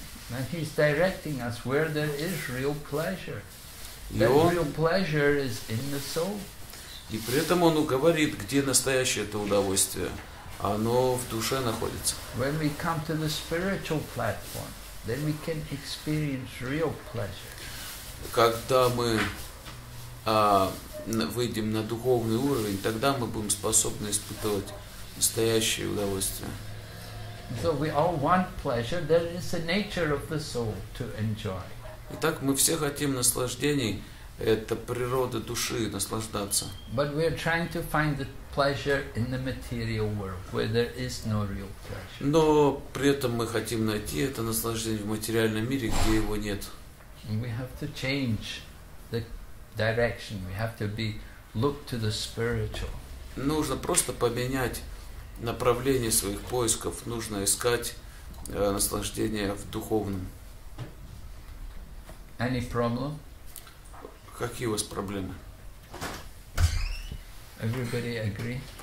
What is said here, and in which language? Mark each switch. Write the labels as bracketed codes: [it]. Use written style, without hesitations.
[en] And he's directing us where there is real pleasure. Real pleasure is in the soul. [ru] И при этом он говорит, где настоящее это удовольствие. Оно в душе находится. [en] When we come to the spiritual platform, then we can experience real pleasure. [ru] Когда мы выйдем на духовный уровень, тогда мы будем способны испытывать настоящее удовольствие. [en] So we all want pleasure. That is the nature of the soul to enjoy. [ru] Итак, мы все хотим наслаждений. это природа души наслаждаться. [en] But we are trying to find the pleasure in the material world, where there is no real pleasure. [ru] Но при этом мы хотим найти это наслаждение в материальном мире, где его нет. [en] We have to change the direction. We have to be look to the spiritual. [ru] Нужно просто поменять направление своих поисков. Нужно искать наслаждение в духовном. [en] Any problem? [ru] Какие у вас проблемы? [en] Everybody agree?